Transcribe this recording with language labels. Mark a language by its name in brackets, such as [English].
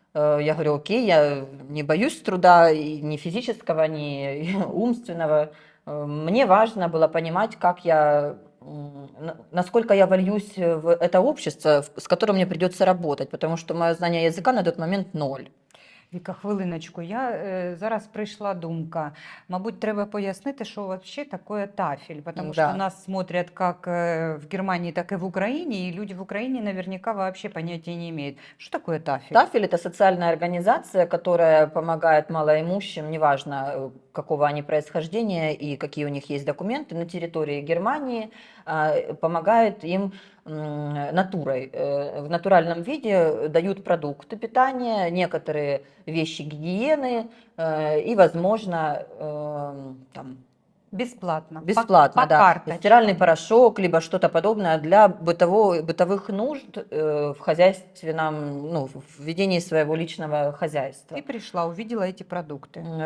[Russian] Я говорю, окей, я не боюсь труда ни физического, ни умственного. Мне важно было понимать, как я, насколько я вольюсь в это общество, с которым мне придется работать, потому что мое знание языка на тот момент ноль. [Ukrainian] Віка, хвилиночку, я зараз прийшла думка. Мабуть, треба пояснити, що взагалі таке тафель, тому да. що нас дивляться як в Германії, так і в Україні, і люди в Україні наверняка взагалі поняття не мають. Що таке тафель? Тафель – це соціальна організація, яка допомагає малоімущим, неважно, какого вони происхождения і які у них є документи на території Германії, допомагає їм натурой, [Russian] в натуральном виде дают продукты питания, некоторые вещи гигиены и, возможно, там, бесплатно, по да, карточкам. Стиральный порошок, либо что-то подобное для бытовых нужд в хозяйстве, нам, ну, в ведении своего личного хозяйства. Ты пришла, увидела эти продукты.